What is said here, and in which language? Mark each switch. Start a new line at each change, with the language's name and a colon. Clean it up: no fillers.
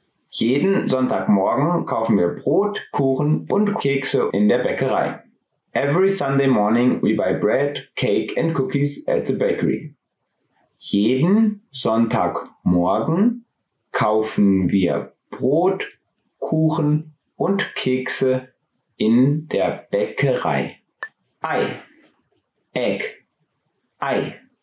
German: Jeden Sonntagmorgen kaufen wir Brot, Kuchen und Kekse in der Bäckerei.
English: Every Sunday morning we buy bread, cake and cookies at the bakery.
German: Jeden Sonntagmorgen kaufen wir Brot, Kuchen und Kekse in der Bäckerei. Ei, Egg, Ei,